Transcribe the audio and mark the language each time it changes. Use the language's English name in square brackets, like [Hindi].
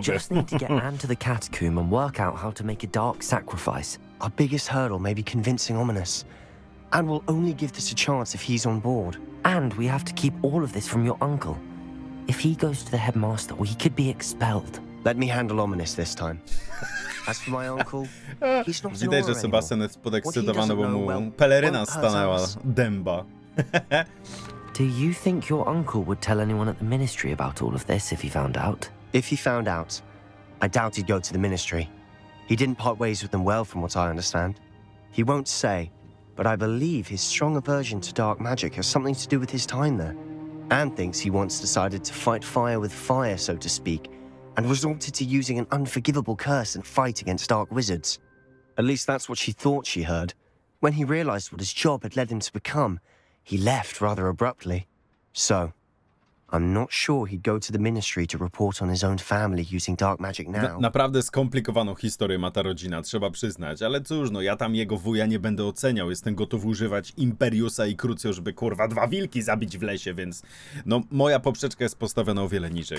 [English] We just need to get Anne to the catacomb and work out how to make a dark sacrifice. Our biggest hurdle may be convincing Ominous. Anne will only give this a chance if he's on board. And we have to keep all of this from your uncle. If he goes to the headmaster, we could be expelled. Let me handle Ominous this time. As for my uncle, he's not [Polish] Widzę, że Sebastian jest podekscytowany, bo mu peleryna stanęła dęba. [English] Do you think your uncle would tell anyone at the ministry about all of this if he found out? If he found out, I doubt he'd go to the ministry. He didn't part ways with them well, from what I understand. He won't say, but I believe his strong aversion to dark magic has something to do with his time there. Anne thinks he once decided to fight fire with fire, so to speak, and resorted to using an unforgivable curse and fight against dark wizards. At least that's what she thought she heard. When he realized what his job had led him to become, he left rather abruptly. So, I'm not sure he'd go to the ministry to report on his own family using dark magic now. [Polish] Naprawdę skomplikowaną historię ma ta rodzina, trzeba przyznać, ale cóż, no ja tam jego wuja nie będę oceniał. Jestem gotów używać Imperiusa i Crucio, żeby kurwa 2 wilki zabić w lesie, więc no moja poprzeczka jest postawiona o wiele niżej.